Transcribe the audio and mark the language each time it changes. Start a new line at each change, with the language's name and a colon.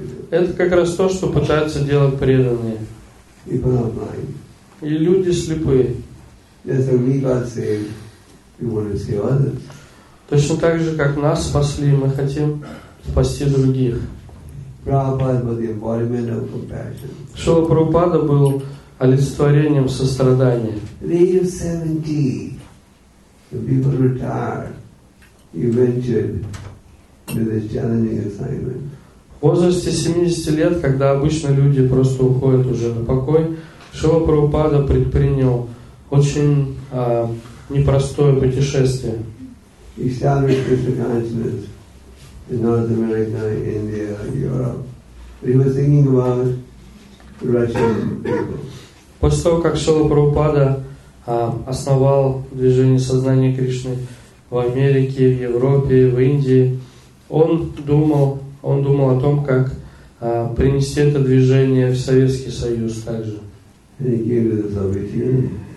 Russian: Это как раз то, что пытаются делать преданные. И люди слепые.
English: Yes, when we got saved, we want to save others.
Russian: Точно так же, как нас спасли, мы хотим спасти других.
English: Prabhupada was the embodiment of compassion.
Russian: Шрила Прабхупада был олицетворением сострадания.
English: At the age of 70, when people retired, he ventured with this challenging assignment.
Russian: В возрасте 70 лет, когда обычно люди просто уходят уже на покой, Шрила Прабхупада предпринял очень непростое путешествие.
English: He started Krishna consciousness in North America, India, Europe. But he was thinking about the Russian people.
Russian: После того, как Шрила Прабхупада основал движение сознания Кришны в Америке, в Европе, в Индии, он думал о том, как принести это движение в Советский Союз также.
English: And he gave it his opportunity.